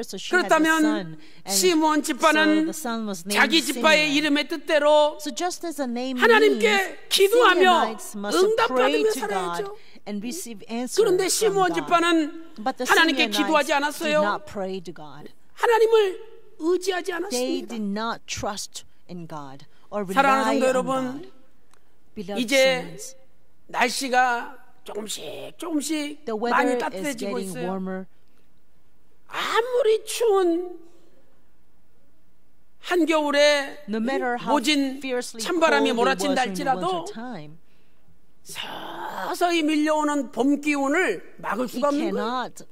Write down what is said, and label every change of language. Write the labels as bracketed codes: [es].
[ko] 그렇다면 시몬 집파는 자기 집파의 이름의 뜻대로 하나님께 기도하며 응답받으며 살아야죠. [en] And receive answers. [ko] 그런데 시므온 집파는 하나님께 기도하지 않았어요. 하나님을 의지하지 않았습니다. [en] They did not trust in God or rely on God. [ko] 사랑하는 성도 여러분, 이제 날씨가 조금씩 많이 따뜻해지고 있어요. 아무리 추운 한겨울에 모진 찬바람이 몰아친다 할지라도 서서히 밀려오는 봄 기운을 막을 수가 없는 거예요.